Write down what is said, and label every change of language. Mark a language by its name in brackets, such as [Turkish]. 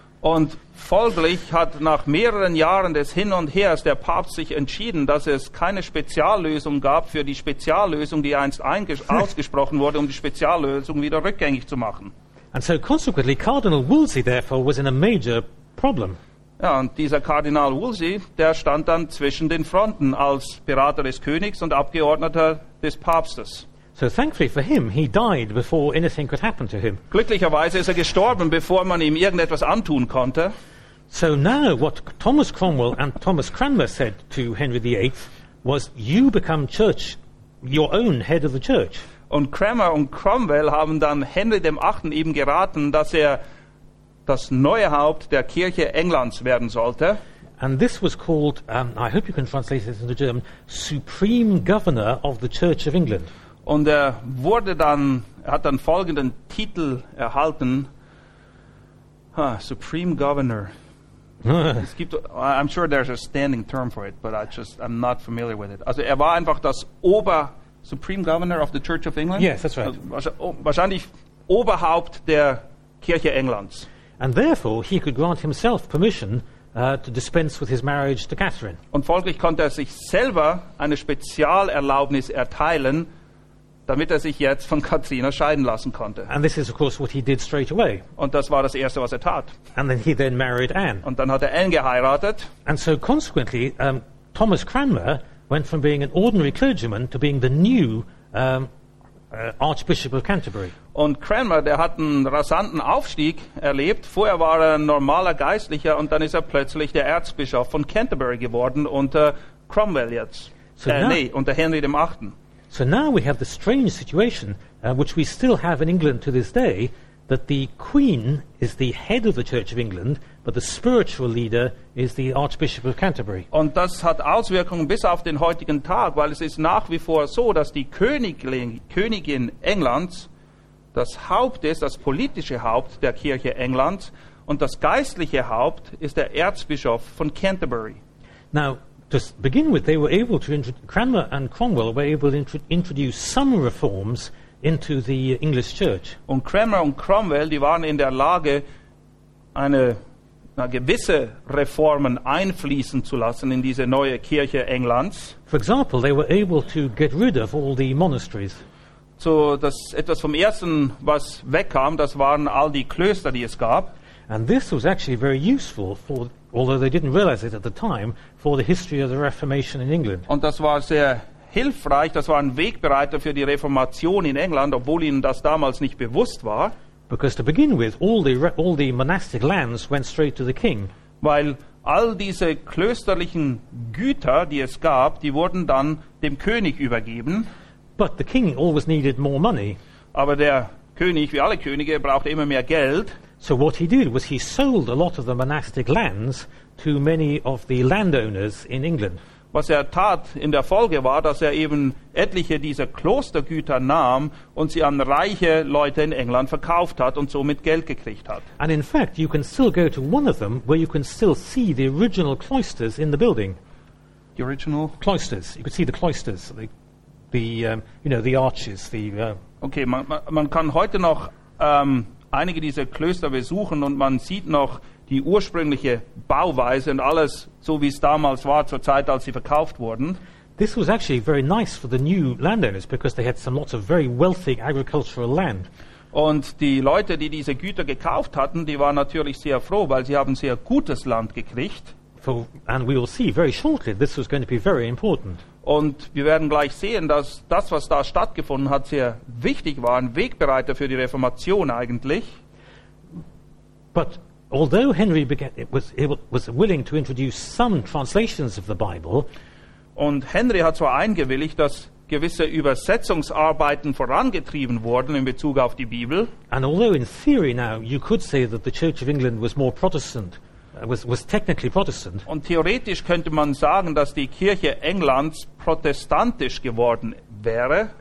[German] Und folglich hat nach mehreren Jahren des Hin und Hers der Papst sich entschieden, dass es keine Speziallösung gab für die Speziallösung, die einst ausgesprochen wurde, um die Speziallösung wieder rückgängig zu machen. [English] And so consequently, Cardinal Wolsey therefore was in a major problem. [German] Ja, und dieser Kardinal Wolsey, der stand dann zwischen den Fronten als Berater des Königs und Abgeordneter des Papstes. [English] So thankfully for him, he died before anything could happen to him. [German] Glücklicherweise ist er gestorben, bevor man ihm irgendetwas antun konnte. [English] So now what Thomas Cromwell and Thomas Cranmer said to Henry VIII was, you become church, your own head of the church. [German] Und Cranmer und Cromwell haben dann Henry VIII eben geraten, dass er das neue Haupt der Kirche Englands werden sollte. [English] And this was called, I hope you can translate this into German, Supreme Governor of the Church of England. [German] Und er wurde dann, er hat dann folgenden Titel erhalten, Supreme Governor. Es gibt, [English] I'm sure there's a standing term for it, but I'm not familiar with it. [German] Also er war einfach das Ober, Supreme Governor of the Church of England? [English] Yes, that's right. [German] Wahrscheinlich Oberhaupt der Kirche Englands. [English] And therefore he could grant himself permission to dispense with his marriage to Catherine. [German] Und folglich konnte er sich selber eine Spezialerlaubnis erteilen, damit er sich jetzt von Katrina scheiden lassen konnte. [English] And this is of course what he did straight away. [German] Und das war das erste, was er tat. [English] And then he then married Anne. [German] Und dann hat er Anne geheiratet. [English] And so consequently, Thomas Cranmer went from being an ordinary clergyman to being the new Archbishop of Canterbury. [German] Und Cranmer, der hat einen rasanten Aufstieg erlebt. Vorher war er ein normaler Geistlicher und dann ist er plötzlich der Erzbischof von Canterbury geworden unter Cromwell jetzt. Unter Henry dem VIII. [English] So now we have the strange situation, which we still have in England to this day, that the Queen is the head of the Church of England, but the spiritual leader is the Archbishop of Canterbury. [German] Und das hat Auswirkungen bis auf den heutigen Tag, weil es ist nach wie vor so, dass die Königin Englands das Haupt ist, das politische Haupt der Kirche Englands, und das geistliche Haupt ist der Erzbischof von Canterbury. [English] Now, to begin with, they were able to Cranmer and Cromwell were able to introduce some reforms into the English Church. [German] Und Cranmer und Cromwell, die waren in der Lage, eine gewisse Reformen einfließen zu lassen in diese neue Kirche Englands. [English] For example, they were able to get rid of all the monasteries. [German] So das etwas vom Ersten, was wegkam, das waren all die Klöster, die es gab. [English] And this was actually very useful for, although they didn't realize it at the time, for the history of the Reformation in England. [German] Und das war sehr hilfreich, das war ein Wegbereiter für die Reformation in England, obwohl ihnen das damals nicht bewusst war. [English] Because to begin with, all the monastic lands went straight to the king. [German] Weil all diese klösterlichen Güter, die es gab, die wurden dann dem König übergeben. [English] But the king always needed more money. [German] Aber der König, wie alle Könige, brauchte immer mehr Geld. [English] So what he did was he sold a lot of the monastic lands to many of the landowners in England. [German] Was er tat in der Folge war, dass er eben etliche dieser Klostergüter nahm und sie an reiche Leute in England verkauft hat und somit Geld gekriegt hat. [English] And in fact, you can still go to one of them where you can still see the original cloisters in the building. The original cloisters. You could see the cloisters, the arches, the. [German] Okay, man kann heute noch einige dieser Klöster besuchen und man sieht noch die ursprüngliche Bauweise und alles, so wie es damals war, zur Zeit, als sie verkauft wurden. [English] This was actually very nice for the new landowners because they had some lots of very wealthy agricultural land. [German] Und die Leute, die diese Güter gekauft hatten, die waren natürlich sehr froh, weil sie haben sehr gutes Land gekriegt. [English] And we will see very shortly this was going to be very important. [German] Und wir werden gleich sehen, dass das, was da stattgefunden hat, sehr wichtig war, ein Wegbereiter für die Reformation eigentlich. [English] But although Henry was willing to introduce some translations of the Bible, [German] und Henry hat zwar eingewilligt, dass gewisse Übersetzungsarbeiten vorangetrieben wurden in Bezug auf die Bibel. [English] And although in theory now you could say that the Church of England was more Protestant. Was technically Protestant. [German] Und theoretisch könnte man sagen, dass die Kirche Englands protestantisch geworden wäre.